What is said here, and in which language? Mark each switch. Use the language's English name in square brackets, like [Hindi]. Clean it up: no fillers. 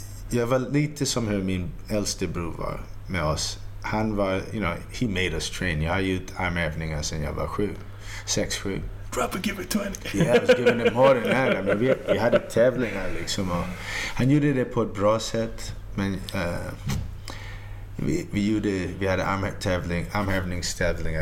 [Swedish] Jag var lite som hur min äldste bror var med oss. Han var, [English] you know, he made us train. [Swedish] Jag har gjort armhävningar sedan jag var 6-7. [English] Drop and give it 20. Yeah, I was giving him more than that. I mean, we [Swedish] hade tävlingar liksom. Han gjorde det på ett bra sätt. Men Vi hade armhävningstävlingar.